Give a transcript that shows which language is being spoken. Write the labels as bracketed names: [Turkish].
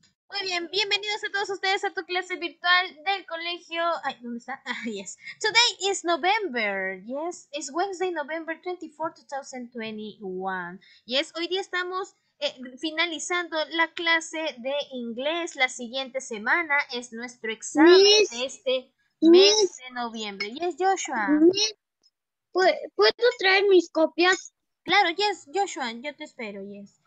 [Spanish] Muy bien, bienvenidos a todos ustedes a tu clase virtual del colegio. Ay, ¿dónde está? [English] Ah, yes. Today is November. Yes, it's Wednesday, November 24, 2021. [Spanish] Yes, hoy día estamos finalizando la clase de inglés. La siguiente semana es nuestro examen de [English] Miss, [Spanish] este mes [English] Miss, [Spanish] de noviembre. Yes, Joshua. Miss, ¿puedo traer mis copias? Claro, yes, Joshua, yo te espero, yes.